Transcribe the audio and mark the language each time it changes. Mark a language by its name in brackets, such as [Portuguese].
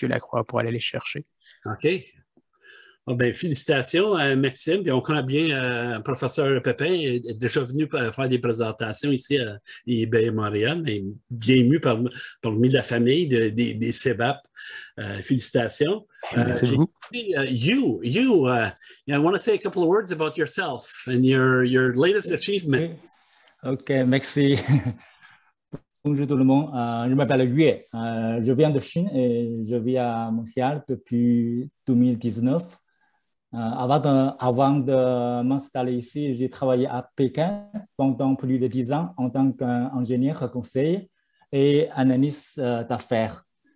[French] Lacroix pour aller les chercher. OK. Oh, ben, félicitations, Maxime. Puis on connaît bien professeur Pépin, est déjà venu faire des présentations ici à eBay Montréal, mais bienvenue parmi la famille des CBAP. Félicitations. [English] I want to say a couple of words about yourself and your latest achievement. [French] Okay, merci. Bonjour tout le monde. Je m'appelle Yue. Je viens de Chine et je vis à Montréal depuis 2019. Avant de m'installer ici, j'ai travaillé à Pékin pendant plus de 10 ans en tant qu'ingénieur conseil et analyste d'affaires.